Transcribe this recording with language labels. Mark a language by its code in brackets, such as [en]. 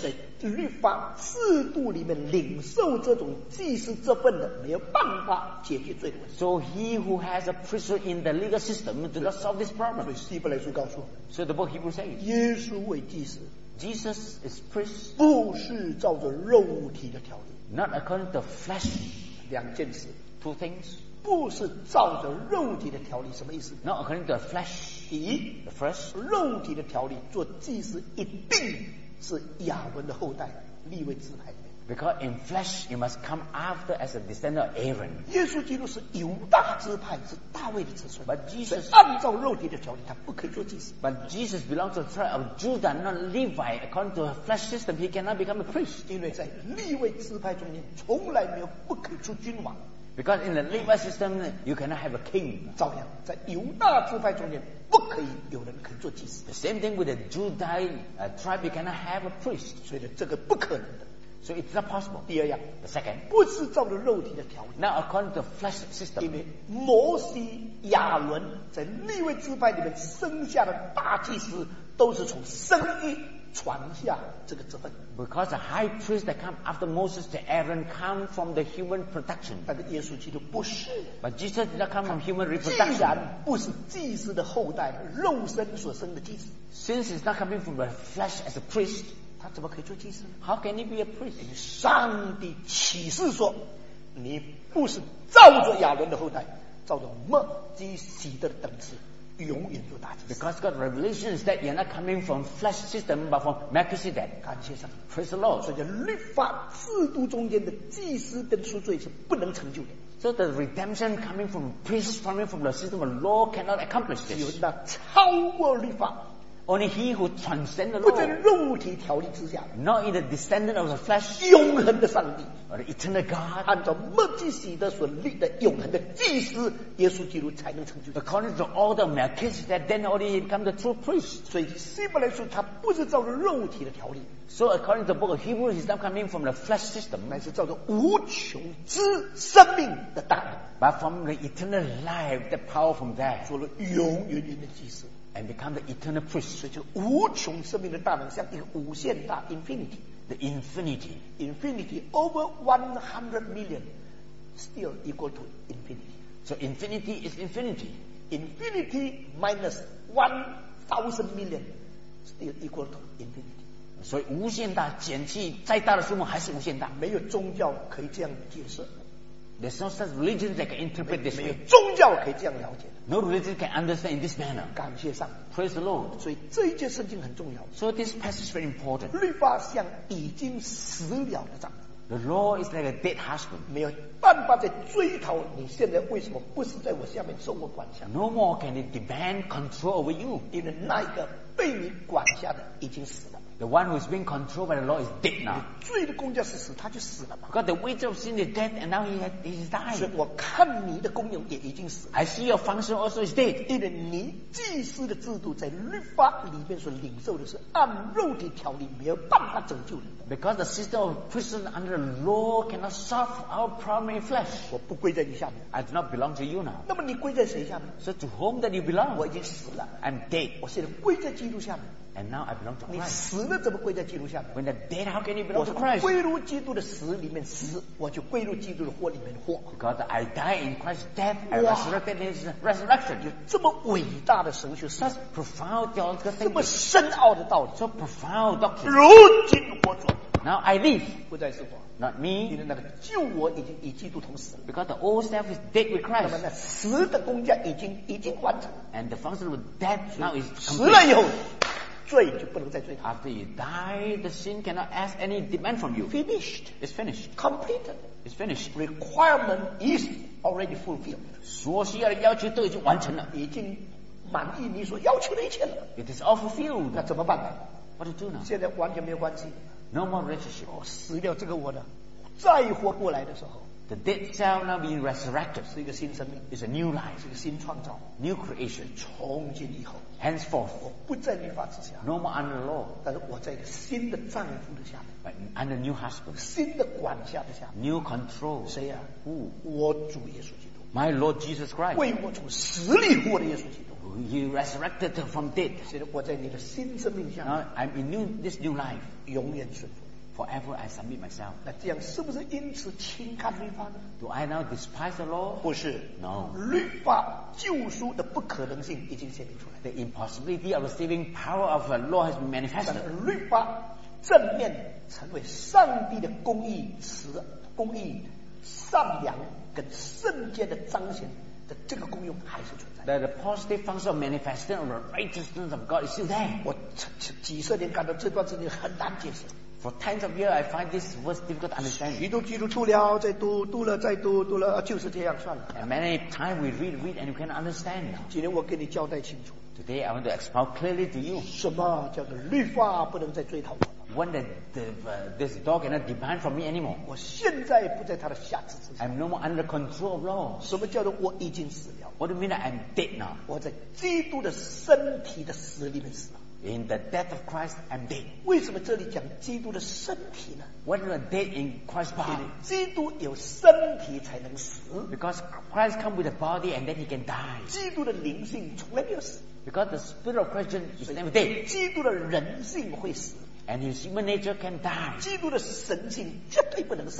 [zh] 所以在律法制度里面领受这种祭司这份的，没有办法解决罪的问题。 [en] So he who has a priesthood in the legal system do not solve this problem. [zh] 所以希伯来书告诉我 [en] ，So the book Hebrews says, [zh] 耶稣为祭司 [en] ，Jesus is priest， [zh] 不是照着肉体的条例。 [en] Not according to flesh, [zh] 两件事 [en] ，two things， [zh] 不是照着肉体的条例，什么意思 [en] ？Not according to flesh， [zh] 第一 [en] ，the first， [zh] 肉体的条例做祭司一定是亚伦的后代，立位支派。 [en] Because in flesh you must come after as a descendant of Aaron. [zh] 耶稣基督是犹大支派，是大卫的子孙。 [en] But Jesus [zh] 按照肉体的条例，他不可以做祭司。 [en] But Jesus belongs to the tribe of Judah, not Levi. According to the flesh system, he cannot become a priest. [zh] 因为在立位支派中间，从来没有不可以出君王。 [en] Because in the Levi system, you cannot have a king. [zh] 照样在犹大支派中间，不可以有人可以做祭司。 [en] The same thing with the Judah tribe, you cannot have a priest. [zh] 所以这个不可能的。 [en] So it's not possible. [zh] 第二样 [en] ，the second， [zh] 不是照着肉体的条例。 [en] Now according to flesh system， [zh] 因为摩西、亚伦在立位支派里面生下的大祭司，都是从生育传下这个职分。 [en] Because the high priest that come after Moses to Aaron come from the human production， [zh] 但是耶稣基督不是。 [en] But Jesus did not come from human reproduction。 [zh] 既然不是祭司的后代，肉身所生的祭司。 [en] Since he's not coming from the flesh as a priest。 [zh] 他怎么可以做祭司呢 [en] ？How can he be a priest？ [zh] 上帝启示说，你不是照着亚伦的后代，照着墨基洗德的等次，永远做大祭司。 [en] Because God's revelation is that you're not coming from flesh system, but from Melchizedek. [zh] 感谢上帝 [en] ，Praise the Lord。 [zh] 所以律法制度中间的祭司跟赎罪是不能成就的。 [en] So the redemption coming from priests, coming from the system of law, cannot accomplish this. [zh] 只有那超过律法。 [en] Only he who transcends the law， [zh] 不在肉体条例之下 [en] ，not in the descendant of the flesh， [zh] 永恒的上帝 [en] ，or the eternal God， [zh] 按照墨基洗德所立的永恒的祭司，耶稣基督才能成就。 [en] According to all the Melchizedek， then only he becomes the true priest。 [zh] 所以希伯来书他不是照着肉体的条例。 [en] So according to the book of Hebrews， he's not coming from the flesh system， [zh] 乃是照着无穷之生命的大能 [en] ，but from the eternal life， the power from there， [zh] 做了永远的祭司。 [en] and become the eternal priest. [zh] 所以就无穷生命的大能，像一个无限大 infinity。 [en] The infinity, infinity over 100 million, still equal to infinity. So infinity is infinity. Infinity minus 1,000 million, still equal to infinity. [zh] 所以无限大减去再大的数目还是无限大。没有宗教可以这样解释。 [en] There's no such religion that can interpret this. [zh] 没有宗教可以这样了解。 [en] No religion can understand in this manner. [zh] 感谢上。 [en] Praise the Lord. [zh] 所以这一节圣经很重要。 [en] So this passage is very important. [zh] 律法像已经死了的丈夫。 [en] The law is like a dead husband. [zh] 没有办法再追讨你现在为什么不是在我下面受我管辖。 [en] No more can it demand control over you. [zh] 因为那个被你管辖的已经死了。 [en] The one who is being controlled by the law is dead now. [zh] 罪的工价是死，他就死了嘛。 [en] Because the wages of sin is death, and now he is dying. [zh] 所以我看你的功用也已经死了。 [en] I see your function also is dead. [zh] 因为你祭司的制度在律法里面所领受的是按肉体条例，没有办法拯救人的。 [en] Because the system of prison under the law cannot solve our primary flesh. [zh] 我不归在你下面。 [en] I do not belong to you now. [zh] 那么你归在谁下面？ [en] So to whom that you belong? [zh] 我已经死了。 [en] I'm dead. [zh] 我现在归在基督下面。 [en] And now I belong to Christ. [zh] 你死了怎么归在基督下面？ [en] When the dead, how can you belong to Christ? [zh] 我归入基督的死里面死，我就归入基督的活里面活。 [en] Because I die in Christ's death and resurrected in His resurrection. [zh] 有这么伟大的神学， [en] such profound theological thinking, [zh] 这么深奥的道理， [en] so profound doctrine. [zh] 如今活着， [en] now I live. [zh] 不再是我。 [en] Not me. [zh] 因为那个旧我已经与基督同死。 [en] Because the old self is dead with Christ. [zh] 那么那死的工价已经完成。 [en] And the function of death now is complete. [zh] 死了以后。罪就不能再罪他。 [en] After you die, the sin cannot ask any demand from you. Finished. It's finished. Completed. It's finished. Requirement is already fulfilled. [zh] 所需要的要求都已经完成了。已经满意你所要求的一切了。 [en] It is all fulfilled. [zh] 那怎么办呢？ [en] What to do now? [zh] 现在完全没有关系。 [en] No more relationship. [zh] 我死掉这个我的，再活过来的时候。 [en] The dead shall now be resurrected. [zh] 是一个新生命。 [en] It's a new life. [zh] 是一个新创造。 [en] New creation. [zh] 从今以后。 [en] Henceforth. [zh] 我不在律法之下。 [en] No more under law. [zh] 但是我在一个新的丈夫的下面。 [en] But under new husband. [zh] 新的管辖的下面。 [en] New control. [zh] 谁啊？ [en] Who? [zh] 我主耶稣基督。 [en] My Lord Jesus Christ. [zh] 为我从死里活的耶稣基督。 [en] He resurrected from dead. [zh] 所以我在你的新生命下面。 [en] Now I'm in this new life. [zh] 永远顺服。 [en] Forever I submit myself. [zh] 那这样是不是因此轻看律法呢？ [en] Do I now despise the law? [zh] 不是。 [en] No. [zh] 律法救赎的不可能性已经显明出来。 [en] The impossibility of receiving power of the law has been manifested. [zh] 律法正面成为上帝的公义、慈、公义、善良跟圣洁的彰显的这个功用还是存在。 [en] That the positive function of manifesting of the righteousness of God is still there. [zh] 我几十年感到这段圣经很难解释。 [en] For tens of years, I find this verse difficult to understand. [zh] 许多基督徒了，再读，读了，再读，读了，就是这样算了。 [en] And many times we read, and we can't understand. [zh] 今天我给你交代清楚。 [en] Today I want to expound clearly to you. [zh] 什么叫做律法不能再追讨我？ [en] When this dog cannot demand from me anymore. [zh] 我现在不在他的辖制之下。 [en] I'm no more under control of law. [zh] 什么叫做我已经死了？ [en] What do you mean that I'm dead now? [zh] 我在基督的身体的死里面死了。 [en] In the death of Christ, I'm dead. [zh] 为什么这里讲基督的身体呢？ [en] What is the dead in Christ's body? [zh] 基督有身体才能死。 [en] Because Christ comes with a body and then he can die. [zh] 基督的灵性从来没有死。 [en] Because the spirit of Christ is never dead. [zh] 基督的人性会死。 [en] And his human nature can die. [zh] 基督的神性绝对不能死。